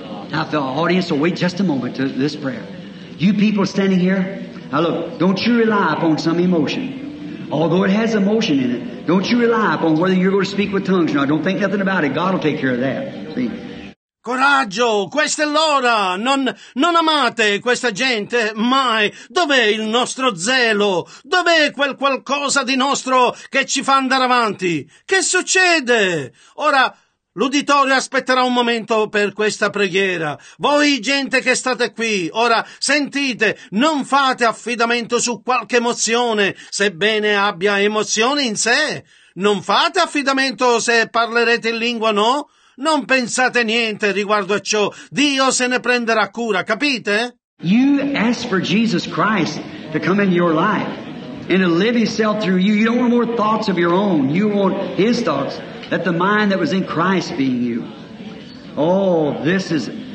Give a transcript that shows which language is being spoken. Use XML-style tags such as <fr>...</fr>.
<en>Now, the audience will wait just a moment to this prayer. You people standing here, now look, don't you rely upon some emotion. Although it has emotion in it, don't you rely upon whether you're going to speak with tongues or not. Don't think nothing about it. God will take care of that. See?</en> <it>Coraggio, questa è l'ora, non amate questa gente, mai, dov'è il nostro zelo, dov'è quel qualcosa di nostro che ci fa andare avanti, che succede? Ora, l'uditorio aspetterà un momento per questa preghiera, voi gente che state qui, ora sentite, non fate affidamento su qualche emozione, sebbene abbia emozioni in sé, non fate affidamento se parlerete in lingua, no? Non pensate niente riguardo a ciò. Dio se ne prenderà cura, capite?</it> <en>You ask for Jesus Christ to come in your life and to live himself through you. You don't want more thoughts of your own. You want his thoughts. Let the mind that was in Christ be in you. Oh, this is.</en>